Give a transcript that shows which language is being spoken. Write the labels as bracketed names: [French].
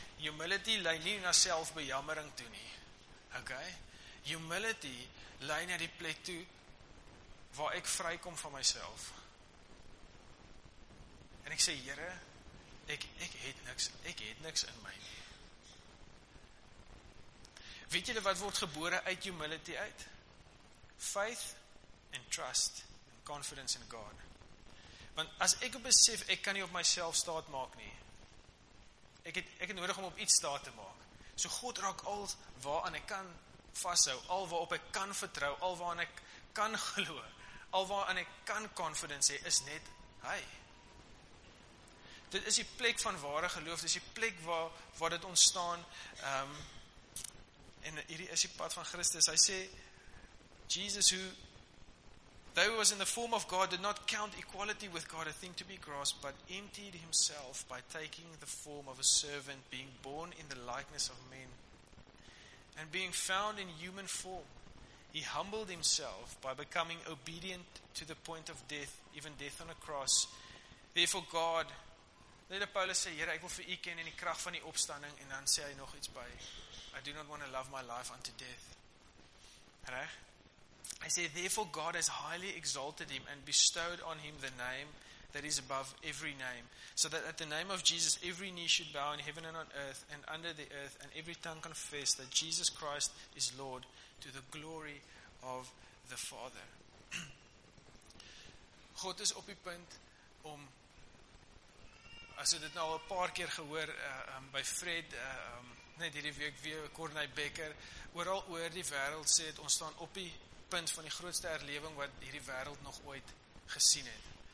[Afrikaans] Humility lei nie na selfbejammering toe nie, okay? Humility lei na die plek toe waar ek vrykom van myself. En ek sê, Here, ek het niks in my nie. Weet julle wat word gebore uit humility uit? [English] Faith and trust and confidence in God. [Afrikaans] Want as ek besef, ek kan nie op myself staat maak nie. Ek het nodig om op iets staat te maak. So God raak al waaraan ek kan vasthou, al waarop ek kan vertrou, al waaraan ek kan glo, al waaraan ek kan confidence hê, is net hy. Dit is die plek van ware geloof, dit is die plek waar dit ontstaan, en hierdie is die pad van Christus. Hy sê, [English] Jesus who, though he was in the form of God, did not count equality with God a thing to be grasped, but emptied himself by taking the form of a servant, being born in the likeness of men, and being found in human form, he humbled himself by becoming obedient to the point of death, even death on a cross. Therefore God, [Afrikaans] net die Paulus sê, Here, ek wil vir u ken en die krag van die opstanding, en dan sê hy nog iets by, [English] I do not want to love my life unto death. [Afrikaans] Reg? Hy sê, [English] therefore God has highly exalted him and bestowed on him the name that is above every name, so that at the name of Jesus every knee should bow in heaven and on earth and under the earth, and every tongue confess that Jesus Christ is Lord, to the glory of the Father. [Afrikaans] God is op die punt om, as jy dit nou al 'n paar keer gehoor by Fred, net hierdie week weer Corneille Becker, oral oor die wêreld sê het, ons staan op die punt van die grootste herlewing wat hierdie wêreld nog ooit gesien het.